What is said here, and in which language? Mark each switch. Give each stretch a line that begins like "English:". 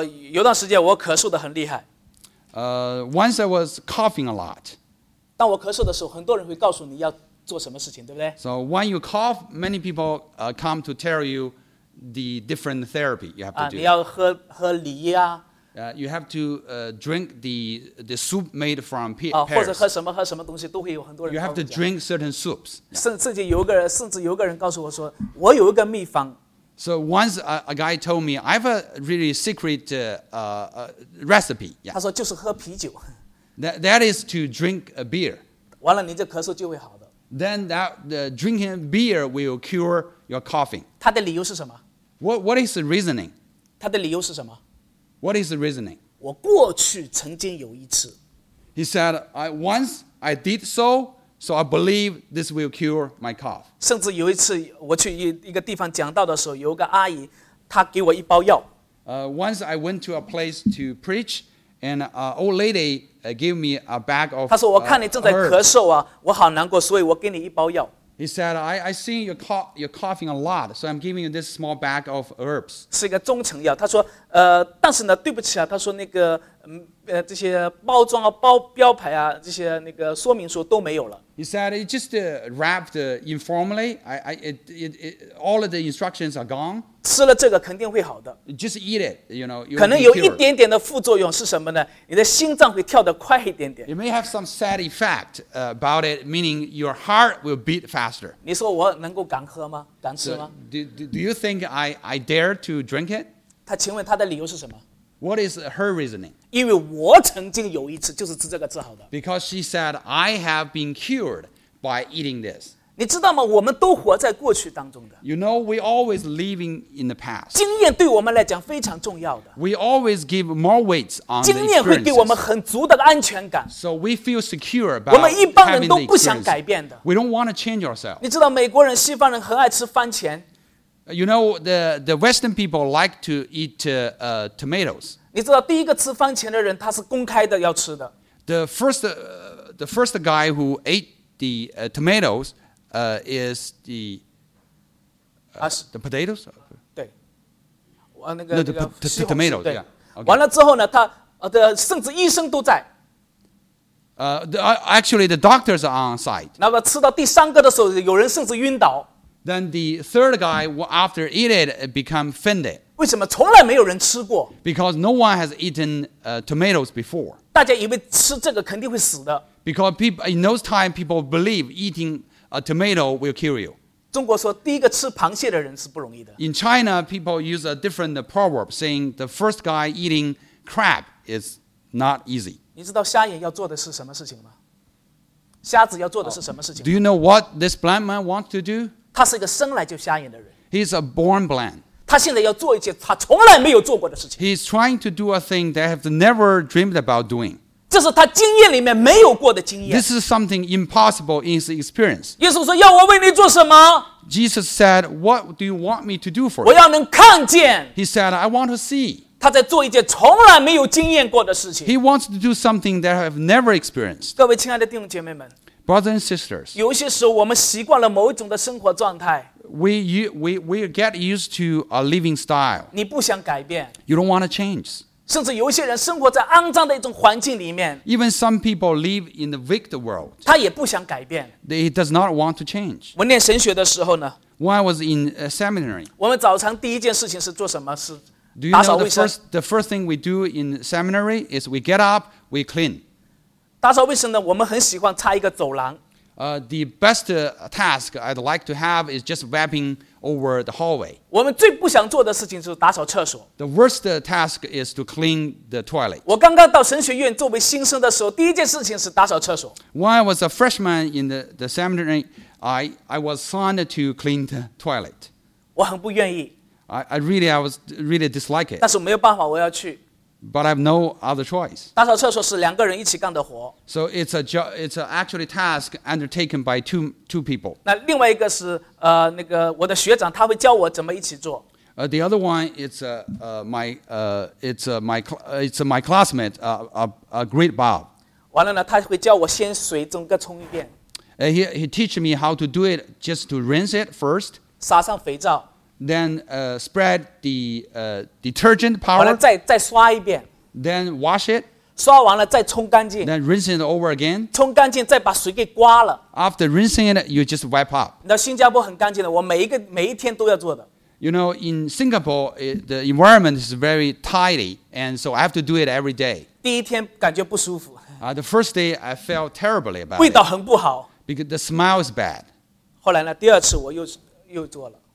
Chinese: 有段时间我咳嗽得很厉害。
English: Once I was coughing a lot.
Chinese: 当我咳嗽的时候，很多人会告诉你要做什么事情，对不对
English: ？So when you cough, many people come to tell you. The different therapy you have to do.
Chinese: 你要喝梨啊。
English: You have to drink the soup made from pears.
Chinese: 或者喝什么东西都会有很多人。
English: You have to drink certain soups.
Chinese: 甚至有个人告诉我说，我有一个秘方。
English: So once a guy told me, I have a really secret recipe. Yeah.
Chinese: 他说就是喝啤酒。
English: That is to drink a beer.
Chinese: 完了，你这咳嗽就会好的。
English: Then that the drinking beer will cure. You're coughing.
Chinese: 他的理由是什么?
English: What is the reasoning?
Chinese: 他的理由是什么?
English: What is the reasoning?
Chinese: 我过去曾经有一次。
English: He said, once I did so I believe this will cure my cough.
Chinese: 甚至有一次我去一个地方讲道的时候有个阿姨她给我一包药。
English: Once I went to a place to preach, and an old lady gave me a bag of herbs.
Chinese: 她说我看你正在咳嗽啊我好难过所以我给你一包药。
English: He said, I see you're coughing a lot, so I'm giving you this small bag of herbs.
Chinese: 是一个中成药。他说，但是呢，对不起啊，他说那个，这些包装啊、包标牌啊、这些那个说明书都没有了。
English: He said, it just wrapped informally. All of the instructions are gone.
Chinese: 吃了这个肯定会好的。
English: Just eat it, you know.
Chinese: 可能有一点点的副作用是什么呢？你的心脏会跳得快一点点。
English: You may have some sad effect about it, meaning your heart will beat faster.
Chinese: 你说我能够敢喝吗？敢吃吗
English: ？Do you think I dare to drink it?
Chinese: 他请问他的理由是什么？
English: What is her reasoning?
Chinese: 因为我曾经有一次就是吃这个治好的。
English: Because she said, I have been cured by eating this.
Chinese: 你知道吗？我们都活在过去当中的。
English: You know, we always living in the past.
Chinese: 经验对我们来讲非常重要的。
English: We always give more weight on the experiences.
Chinese: 经验会给我们很足的安全感。
English: So we feel secure about
Chinese: 我们一般人都不想改变的。
English: We don't want to change ourselves.
Chinese: 你知道美国人、西方人很爱吃番茄。
English: You know, the Western people like to eat tomatoes.
Chinese: 你知道第一个吃番茄的人他是公开的要吃的。
English: The first guy who ate the tomatoes is the potatoes?
Chinese: 对。那个
English: tomatoes,
Chinese: 对。
English: Yeah, okay.
Chinese: 完了之后呢他的甚至医生都在。
English: Actually, the doctors are on site.
Chinese: 那么吃到第三个的时候有人甚至晕倒。
English: Then the third guy, after eat it, become fainted.
Chinese: 为什么从来没有人吃过
English: ？Because no one has eaten tomatoes before.
Chinese: 大家以为吃这个肯定会死的。
English: Because people in those time, people believe eating a tomato will kill you.
Chinese: 中国说第一个吃螃蟹的人是不容易的。
English: In China, people use a different proverb saying the first guy eating crab is not easy.
Chinese: 你知道瞎眼要做的是什么事情吗？瞎子要做的是什么事情？
English: Do you know what this blind man wants to do?
Chinese: 他是一个生来就瞎眼的人。
English: He's a born blind.
Chinese: 他现在要做一件他从来没有做过的事情。
English: He's trying to do a thing that has never dreamed about doing.
Chinese: 这是他经验里面没有过的经验。
English: This is something impossible in his experience.
Chinese: 耶稣说：“要我为你做什么？”
English: Jesus said, "What do you want me to do for you?"
Chinese: 我要能看见。
English: He said, "I want to see."
Chinese: 他在做一件从来没有经验过的事情。
English: He wants to do something that I have never experienced.
Chinese: 各位亲爱的弟兄姐妹们
English: ，Brothers and sisters，
Chinese: 有些时候我们习惯了某一种的生活状态。
English: We get used to a living style.
Chinese: 你不想改变。
English: You don't want to change.
Chinese: 甚至有些人生活在肮脏的一种环境里面
English: Even some people live in the wicked world
Chinese: 他也不想改变
English: He does not want to change
Chinese: 我念神学的时候呢
English: When I was in a seminary
Chinese: 我们早上第一件事情是做什么是打扫卫生
English: Do you know the first thing we do in seminary is we get up, we clean
Chinese: 打扫卫生呢我们很喜欢擦一个走廊
English: The best task I'd like to have is just wiping over the hallway.
Chinese: 我们最不想做的事情就是打扫厕所。
English: The worst task is to clean the toilet.
Chinese: 我刚刚到神学院作为新生的时候，第一件事情是打扫厕所。
English: When I was a freshman in the seminary, I was assigned to clean the toilet.
Chinese: 我很不愿意。
English: I really dislike it.
Chinese: 但是没有办法，我要去。
English: But I have no other choice.
Chinese: 打扫厕所是两个人一起干的活。
English: So it's actually task undertaken by two people.
Chinese: 那另外一个是那个我的学长，他会教我怎么一起做。
English: The other one is my classmate, a great Bob.
Chinese: 完了呢，他会教我先水整个冲一遍。
English: He teach me how to do it, just to rinse it first.
Chinese: 撒上肥皂。
English: Then spread the detergent powder.
Chinese: 完了再刷一遍。
English: Then wash it.
Chinese: 刷完了再冲干净。
English: Then rinse it over again.
Chinese: 冲干净再把水给刮了。
English: After rinsing it, you just wipe up.
Chinese: 那新加坡很干净的，我每一天都要做的。
English: You know, in Singapore, the environment is very tidy, and so I have to do it every day.
Chinese: 第一天感觉不舒服。
English: The first day I felt terribly about it.
Chinese: 味道很不好。
English: Because the smell is bad.
Chinese: 后来呢，第二次我又做了。